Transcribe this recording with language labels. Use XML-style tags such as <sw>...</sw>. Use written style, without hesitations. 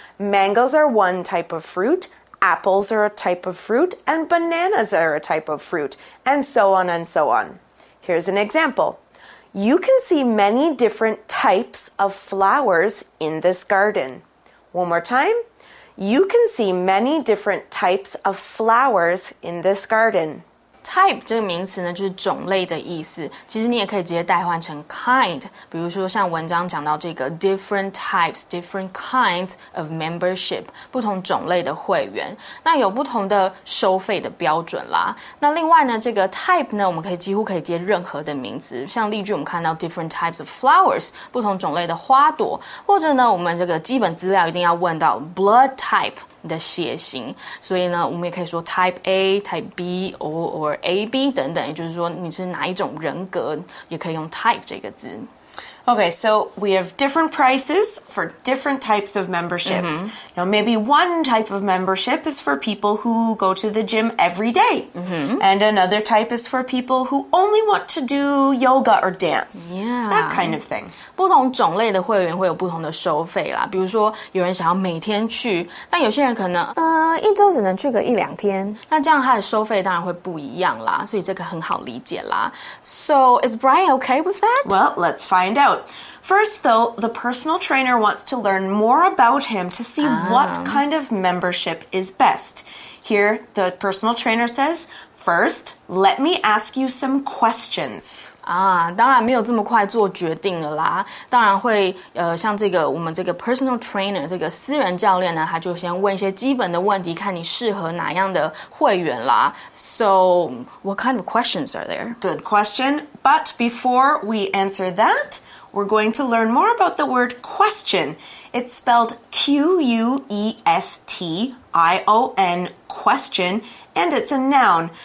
<en>Mangoes are one type of fruit, apples are a type of fruit, and bananas are a type of fruit, and so on and so on. Here's an example. You can see many different types of flowers in this garden. One more time. You can see many different types of flowers in this garden.</en> <zh>Type 这个名词呢，就是种类的意思。其实你也可以直接代换成 kind， 比如说像文章讲到这个</zh> <en>different types, different kinds of membership，</en> <zh>不同种类的会员，那有不同的收费的标准啦。那另外呢，这个 type 呢，我们可以几乎可以接任何的名词，像例句我们看到</zh> <en>different types of flowers，</en> <zh>不同种类的花朵，或者呢，我们这个基本资料一定要问到</zh> <en>blood type。</en> <zh>你的血型，所以呢，我们也可以说</zh> <en>type A, type B, or AB</en> <zh>等等，也就是说你是哪一种人格，也可以用 type 这个字。</zh> <en>Okay, so we have different prices for different types of memberships. Mm-hmm. Now, maybe one type of membership is for people who go to the gym every day. Mm-hmm. And another type is for people who only want to do yoga or dance. Yeah. That kind of thing.</en> <zh>不同种类的会员会有不同的收费啦。比如说有人想要每天去，但有些人可能一周只能去个一两天。那这样他的收费当然会不一样啦。所以这个很好理解啦。</zh> <en>So, is Brian okay with that? Well, let's find out. First, though, the personal trainer wants to learn more about him to see what kind of membership is best. Here, the personal trainer says, first, let me ask you some questions.</en> <zh>当然没有这么快做决定了啦。当然会像这个我们这个 personal trainer, 这个私人教练呢，他就先问一些基本的问题，看你适合哪样的会员啦。</zh> <en>So, what kind of questions are there? Good question. But before we answer that,we're going to learn more about the word question. It's spelled Q-U-E-S-T-I-O-N, question, and it's a noun.</en>